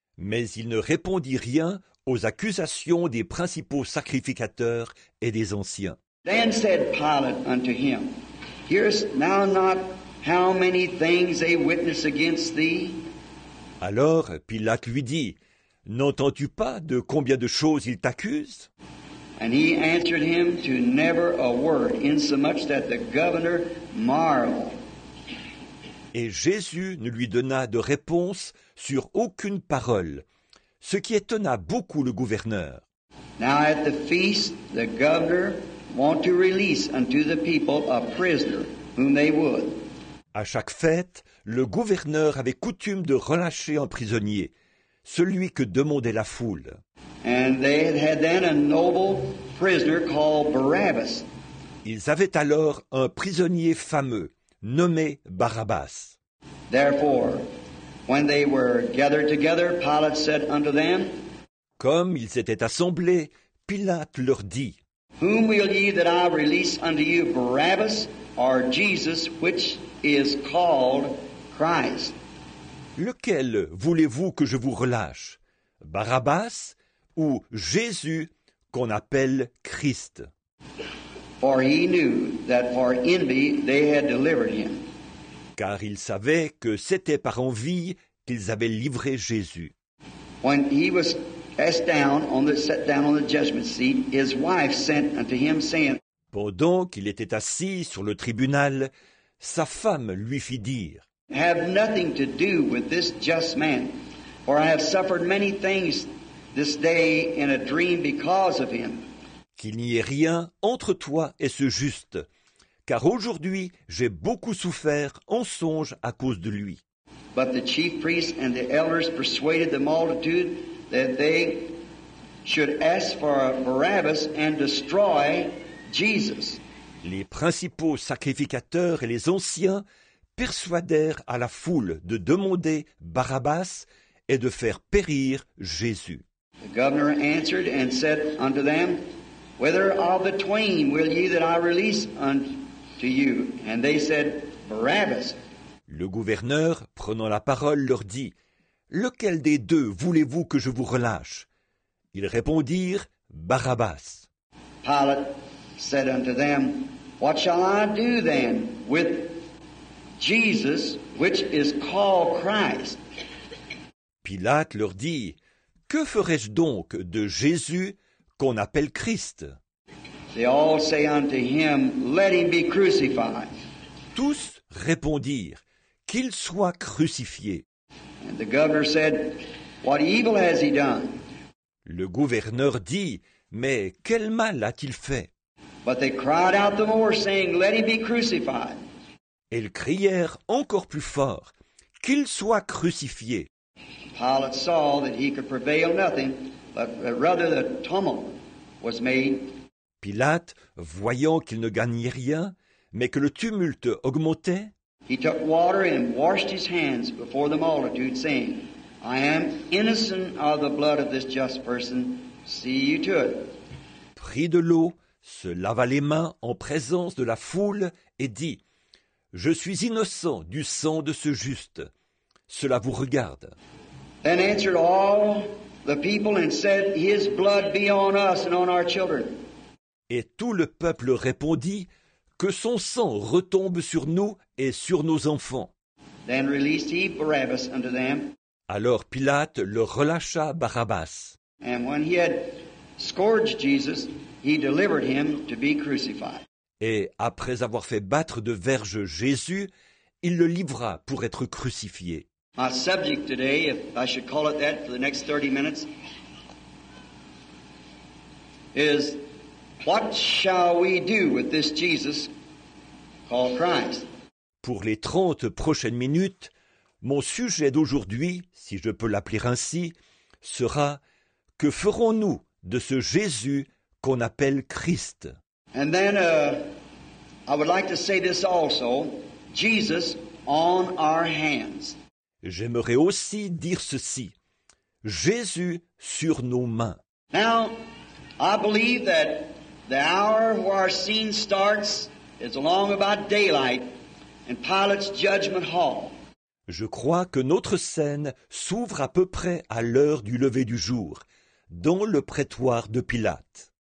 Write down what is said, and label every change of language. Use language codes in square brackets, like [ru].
[fr] Mais il ne répondit rien aux accusations des principaux sacrificateurs et des anciens. [en] Then said Pilate unto him, Hearest thou not how many things they witness against thee? [fr] Alors Pilate lui dit, N'entends-tu pas de combien de choses ils t'accusent? [en] And he answered him to never a word, insomuch that the governor marveled. [fr] Et Jésus ne lui donna de réponse sur aucune parole, ce qui étonna beaucoup le gouverneur. [en] Now at the feast, the governor wanted to release unto the people a prisoner whom they would. [fr] À chaque fête, le gouverneur avait coutume de relâcher un prisonnier, celui que demandait la foule. [en] And they had then a noble prisoner called Barabbas. [fr] Ils avaient alors un prisonnier fameux, nommé Barabbas. [en] Therefore, when they were gathered together, Pilate said unto them, [fr] Comme ils étaient assemblés, Pilate leur dit, [en] Whom will ye that I release unto you, Barabbas or Jesus, which is called Christ? [fr] Lequel voulez-vous que je vous relâche, Barabbas ou Jésus qu'on appelle Christ? [en] For he knew that for envy they had delivered him. [fr] Car il savait que c'était par envie qu'ils avaient livré Jésus. [en] when he was cast down on the set down on the judgment seat, his wife sent unto him saying. [fr] Pendant qu'il était assis sur le tribunal, sa femme lui fit dire. [en] Have nothing to do with this just man, for I have suffered many things this day in a dream because of him. [fr] Qu'il n'y ait rien entre toi et ce juste, car aujourd'hui j'ai beaucoup souffert en songe à cause de lui. [en] But the chief priests and the elders persuaded the multitude that they should ask for Barabbas and destroy Jesus. [fr] Les principaux sacrificateurs et les anciens persuadèrent à la foule de demander Barabbas et de faire périr Jésus. [en] The governor answered and said unto them, Whether of the twain will ye that I release unto you? And they said, Barabbas. [fr] Le gouverneur, prenant la parole, leur dit, Lequel des deux voulez-vous que je vous relâche? Ils répondirent, Barabbas. [en] Pilate said unto them, What shall I do then with Jesus, which is called Christ? [fr] Pilate leur dit, Que ferai-je donc de Jésus qu'on appelle Christ? [en] They all say unto him, Let him be crucified. [fr] Tous répondirent, Qu'il soit crucifié. [en] And the governor said, What evil has he done? [fr] Le gouverneur dit, Mais quel mal a-t-il fait? [en] But they cried out the more, saying, Let him be crucified. [fr] Ils crièrent encore plus fort, Qu'il soit crucifié. [en] Pilate saw that he could prevail nothing, but rather the tumult was made. [fr] Pilate, voyant qu'il ne gagnait rien, mais que le tumulte augmentait, [en] he took water and washed his hands before the multitude, saying, I am innocent of the blood of this just person. See you to it. [fr] Prit de l'eau, se lava les mains en présence de la foule et dit, Je suis innocent du sang de ce juste. Cela vous regarde. [en] Then answered all the people and said, His blood be on us and on our children. [fr] Et tout le peuple répondit, Que son sang retombe sur nous et sur nos enfants. [en] Then released he Barabbas unto them. [fr] Alors Pilate leur relâcha Barabbas. [en] And when he had scourged Jesus, he delivered him to be crucified. [fr] Et après avoir fait battre de verge Jésus, il le livra pour être crucifié. [en] My subject today, if I should call it that for the next 30 minutes, is what shall we do with this Jesus called Christ? [fr] Pour les 30 prochaines minutes, mon sujet d'aujourd'hui, si je peux l'appeler ainsi, sera que ferons-nous de ce Jésus qu'on appelle Christ? [en] And then I would like to say this also, Jesus on our hands. [fr] J'aimerais aussi dire ceci, Jésus sur nos mains. [en] Now, I believe that the hour where our scene starts is along about daylight in Pilate's judgment hall. [fr] Je crois que notre scène s'ouvre à peu près à l'heure du lever du jour, dans le prétoire de Pilate.